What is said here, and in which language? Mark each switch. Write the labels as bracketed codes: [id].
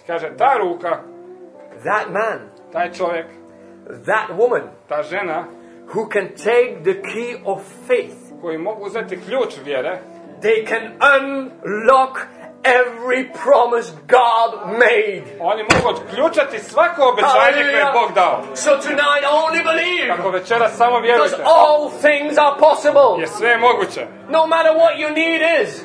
[bs] kaže, ta ruka, [en] that man, [bs] taj čovjek, [en] that woman, [bs] ta žena, [en] who can take the key of faith, [bs] koji mogu uzeti ključ vjere, [en] they can unlock every promise God made. [bs] Oni mogu otključati svako obećanje koje je Bog dao. [en] So tonight only believe. [bs] Ako večeras samo vjerujete. [en] Because all things are possible. [bs] Jer sve je moguće. [en] No matter what you need is.